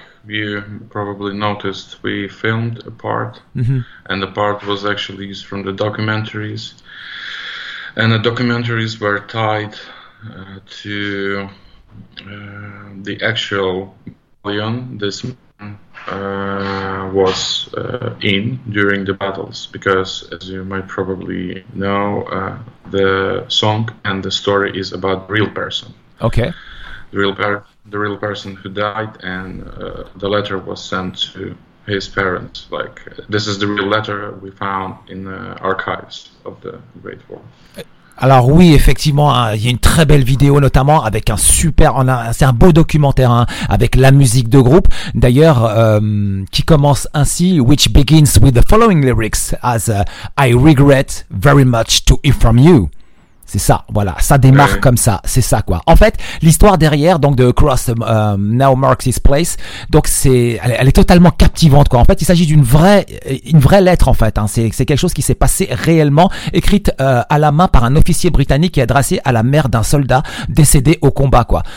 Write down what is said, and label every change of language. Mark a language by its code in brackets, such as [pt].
[en] You probably noticed we filmed a part, and the part was actually used from the documentaries, and the documentaries were tied to the actual battalion this man was in during the battles, because as you might probably know, the song and the story is about real person. Okay. The real person who died, and the letter was sent to his parents. Like, this is the real letter we found in the archives of the Great War. [fr] Alors oui, effectivement, hein, il y a une très belle vidéo, notamment avec un super, c'est un beau documentaire, hein, avec la musique de groupe. D'ailleurs, qui commence ainsi, [en] which begins with the following lyrics, as I regret very much to inform you. [fr] C'est ça, voilà, ça démarre comme ça, c'est ça quoi. En fait, l'histoire derrière, donc de Cross Now Marks His Place, donc elle est totalement captivante quoi. En fait, il s'agit d'une vraie lettre en fait. Hein. C'est quelque chose qui s'est passé réellement, écrite à la main par un officier britannique et adressée à la mère d'un soldat décédé au combat quoi.